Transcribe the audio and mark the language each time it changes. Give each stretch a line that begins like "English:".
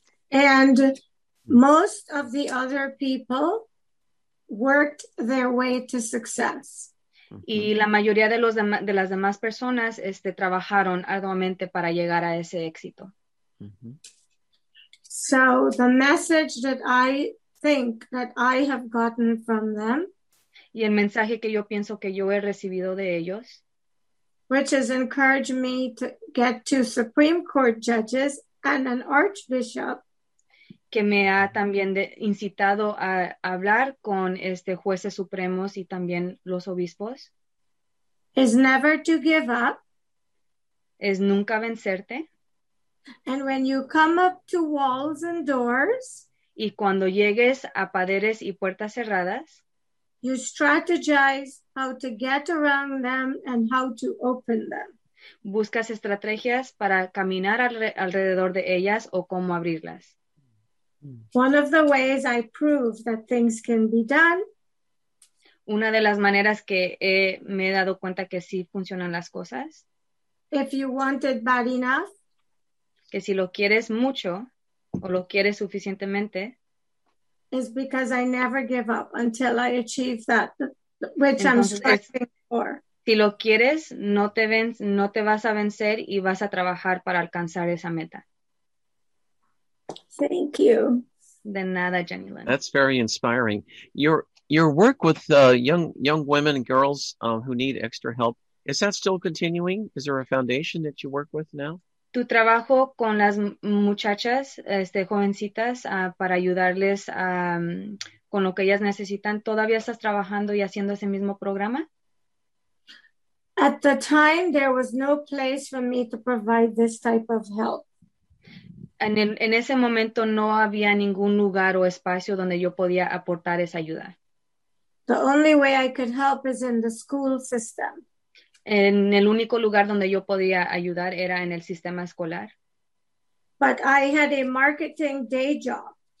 English: And most of the other people worked their way to success.
Spanish: Y la mayoría de las demás personas trabajaron arduamente para llegar a ese éxito.
English: So the message that I think that I have gotten from them,
Spanish: y el mensaje que yo pienso que yo he recibido de ellos,
English: which has encouraged me to get to Supreme Court judges and an archbishop,
Spanish: que me ha también incitado a hablar con jueces supremos y también los obispos,
English: is never to give up,
Spanish: es nunca vencerte,
English: and when you come up to walls and doors,
Spanish: y cuando llegues a paredes y puertas cerradas,
English: you strategize how to get around them and how to open them,
Spanish: buscas estrategias para caminar alrededor de ellas o cómo abrirlas.
English: One of the ways I prove that things can be done,
Spanish: una de las maneras que me he dado cuenta que sí funcionan las cosas,
English: if you want it bad enough,
Spanish: que si lo quieres mucho o lo quieres suficientemente,
English: is because I never give up until I achieve that, which entonces, I'm striving for.
Spanish: Si lo quieres, no te vas a vencer y vas a trabajar para alcanzar esa meta.
English: Thank you.
Spanish: De nada, Jennylin.
English: That's very inspiring. Your work with young women and girls who need extra help, is that still continuing? Is there a foundation that you work with now?
Spanish: Tu trabajo con las muchachas, jovencitas, para ayudarles con lo que ellas necesitan, ¿todavía estás trabajando y haciendo ese mismo programa?
English: At the time, there was no place for me to provide this type of help.
Spanish: En ese momento no había ningún lugar o espacio donde yo podía aportar esa ayuda.
English: The only way I could help is in the school system.
Spanish: En el único lugar donde yo podía ayudar era en el sistema escolar.
English: But I had a marketing day job.